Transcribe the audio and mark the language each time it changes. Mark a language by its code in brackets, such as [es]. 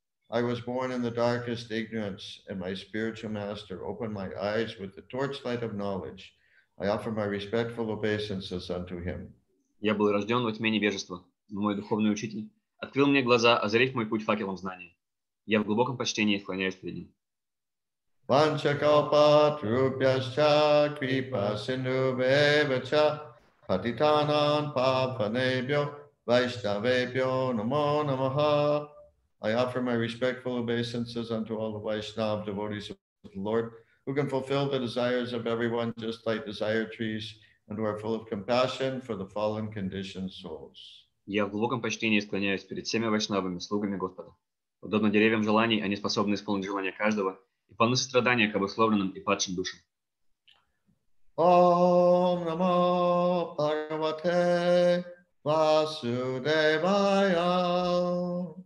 [en] I was born in the darkest ignorance, and my spiritual master opened my eyes with the torchlight of knowledge. I offer my respectful obeisances unto him. [ru] Я был рожден во тьме невежества, но мой духовный учитель открыл мне глаза, озарив мой путь факелом знания. Я в глубоком почтении склоняюсь перед ним. [sa] Ванчакалпатрупьяща крипасиндубевача патитанан павханебьо вайшнавебьо намо намаха. [en] I offer my respectful obeisances unto all the Vaishnava devotees of the Lord, who can fulfill the desires of everyone just like desire trees, and who are full of compassion for the fallen conditioned souls. [ru] Я в глубоком почтении склоняюсь перед всеми вайшнавами, слугами Господа. Подобно деревьям желаний, они способны исполнить желания каждого и полны сострадания к обусловленным и падшим душам. [sa] Ом намо Бхагавате Васудевая.